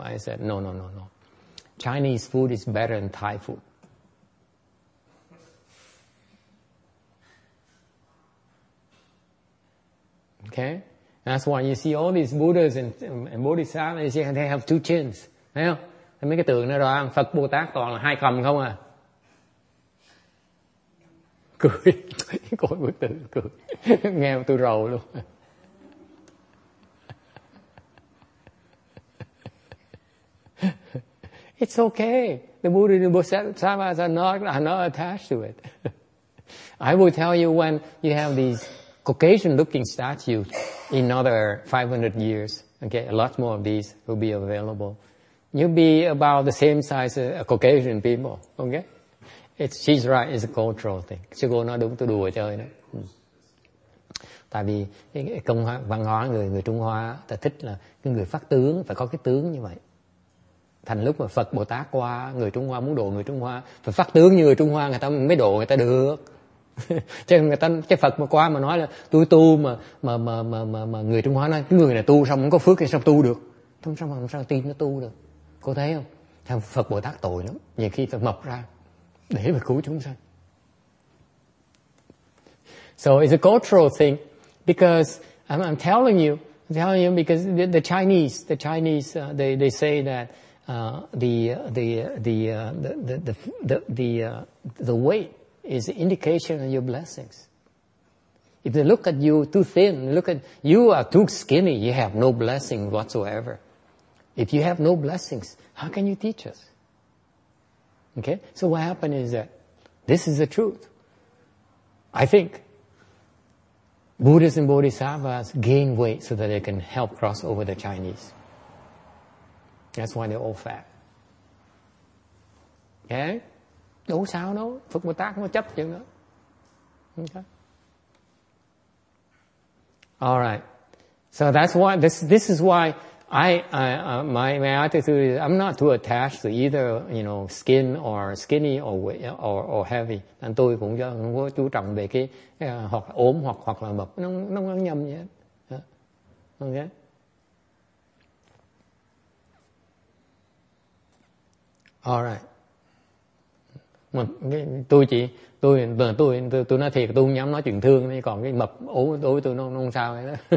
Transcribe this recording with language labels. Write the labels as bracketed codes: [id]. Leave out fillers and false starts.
[en] I said, no, no, no, no. Chinese food is better than Thai food. Okay? That's why you see all these Buddhas and Bodhisattvas, yeah, they have two chins. [vi] Thấy không? Mấy cái tượng đó rõ ràng, Phật Bồ Tát toàn là hai cầm không à? Cười, cười bức tượng, cười. Nghe tôi rầu luôn. [en] It's okay. The Buddha and Bodhisattvas are not attached to it. I will tell you when you have these Caucasian-looking statues in another 500 years. Okay, a lot more of these will be available. You'll be about the same size as Caucasian people. Okay? She's right, it's a cultural thing. [vi] Sư cô nói đúng, tôi đùa chơi đó. Tại vì cái công hóa, văn hóa người người Trung Hoa ta thích là cái người phát tướng phải có cái tướng như vậy. Thành lúc mà Phật Bồ Tát qua, người Trung Hoa muốn độ người Trung Hoa phải phát tướng như người Trung Hoa, người ta mới độ người ta được. Chứ người ta cái Phật mà qua mà nói là tôi tu mà người Trung Hoa nói cái người này tu xong không có phước thì sao tu được, không sao làm sao tin nó tu được, cô thấy không? Thằng Phật Bồ Tát tội lắm, nhiều khi phải mọc ra để mà cứu chúng sanh. [en] So it's a cultural thing because I'm telling you because the Chinese they say that the weight is an indication of your blessings. If they look at you too thin, look at you are too skinny, you have no blessing whatsoever. If you have no blessings, how can you teach us? Okay? So what happened is that this is the truth. I think Buddhists and Bodhisattvas gain weight so that they can help cross over the Chinese. That's why they're all fat. Okay? [vi] Đâu sao đâu, Phật Bồ Tát không có chấp chuyện đó. [en] Okay. All right. So that's why this is why my attitude is I'm not too attached to either, you know, skin or skinny or heavy. [vi] Nên tôi cũng không có chú trọng về cái hoặc ốm hoặc là mập, nó không nhầm gì hết. Okay. [en] All right. [vi] Tôi nói thiệt, tôi không dám nói chuyện thương, còn cái mập ốm đối tôi nó không sao hết.